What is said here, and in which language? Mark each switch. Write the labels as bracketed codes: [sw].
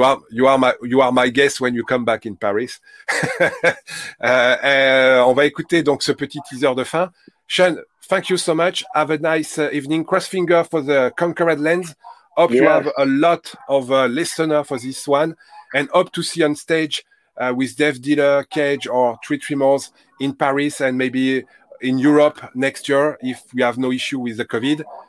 [en] you are my guest when you come back in Paris. [fr] on va écouter donc ce petit teaser de fin. [en] Sean, thank you so much. Have a nice evening. Cross finger for the Conquered Lands. Hope you have a lot of listeners for this one. And hope to see on stage with Dev Dealer, Cage, or Three Tremors in Paris and maybe in Europe next year, if we have no issue with the COVID.